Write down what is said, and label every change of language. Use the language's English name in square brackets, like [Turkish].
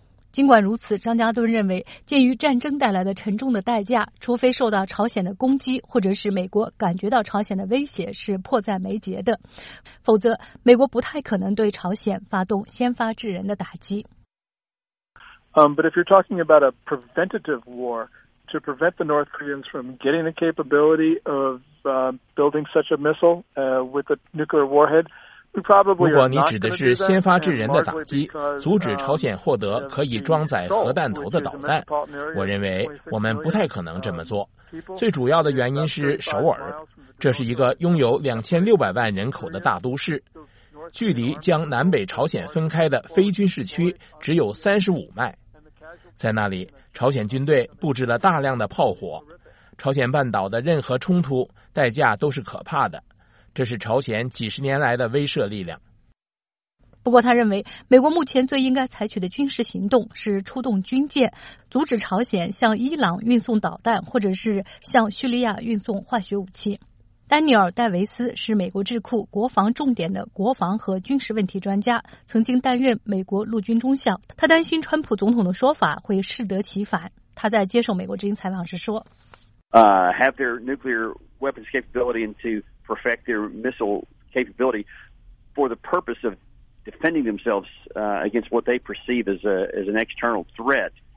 [Chinese] 尽管如此，张家敦认为，鉴于战争带来的沉重的代价，除非受到朝鲜的攻击，或者是美国感觉到朝鲜的威胁是迫在眉睫的，否则美国不太可能对朝鲜发动先发制人的打击。 [English] But if you're talking about a preventative war to prevent the North Koreans from getting the capability of building such a missile with a nuclear warhead, [Chinese] 如果你指的是先发制人的打击，阻止朝鲜获得可以装载核弹头的导弹，我认为我们不太可能这么做。最主要的原因是首尔，这是一个拥有2600万人口的大都市，距离将南北朝鲜分开的非军事区只有35迈。在那里，朝鲜军队布置了大量的炮火，朝鲜半岛的任何冲突代价都是可怕的。这是朝鲜几十年来的威慑力量。不过他认为，美国目前最应该采取的军事行动是出动军舰，阻止朝鲜向伊朗运送导弹，或者是向叙利亚运送化学武器。丹尼尔·戴维斯是美国智库国防重点的国防和军事问题专家，曾经担任美国陆军中校。他担心川普总统的说法会适得其反。他在接受美国之音采访时说 [English] have their nuclear weapons capability into... perfect their missile capability for the purpose of defending themselves against what they perceive as an external threat.